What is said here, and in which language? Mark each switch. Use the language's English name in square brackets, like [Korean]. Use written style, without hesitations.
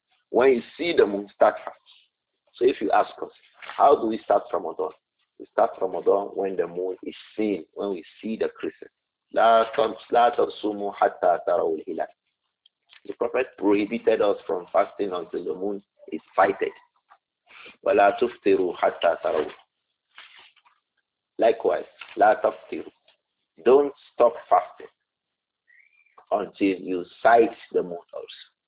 [English] When you see the moon, start fasting. So if you ask us, how do we start Ramadan? We start Ramadan when the moon is seen, when we see the crescent. [Arabic] La tasumu hatta tarawu al-hilal. [English] The Prophet prohibited us from fasting until the moon is sighted. [Arabic] وَلَا تُفْتِرُوا حَتَّى تَرَوْهُ. [English] Likewise, [Arabic] لَا تَفْتِرُوا. [English] Don't stop fasting until you sight the moon also.